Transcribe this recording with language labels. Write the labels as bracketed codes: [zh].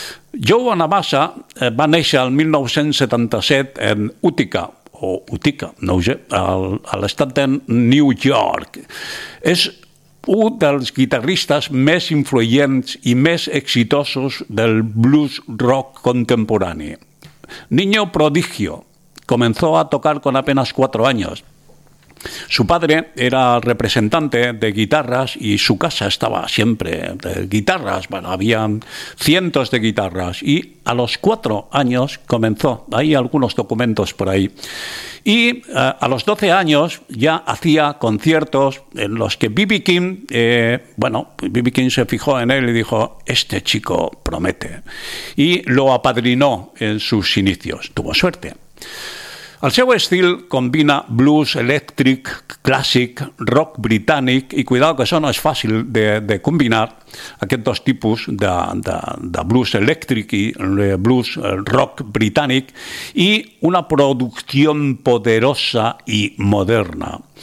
[ca] Joe Bonamassa va néixer el 1977 en Utica, o Utica, no ho sé, a l'estat de New York. És un dels guitarristes més influents i més exitosos del blues rock contemporani. [es] Niño prodigio, comenzó a tocar con apenas 4 años. Su padre era representante de guitarras y su casa estaba siempre de guitarras, bueno, habían cientos de guitarras, y a los 4 años comenzó, hay algunos documentos por ahí, y a los 12 años ya hacía conciertos en los que B.B. King, bueno, B.B. King se fijó en él y dijo, este chico promete, y lo apadrinó en sus inicios, tuvo suerte. [ca] El seu estil combina blues, electric, clàssic, rock britànic, i cuidado que això no és fàcil de combinar, aquests dos tipus de blues electric i blues rock britànic, i una producció poderosa i moderna.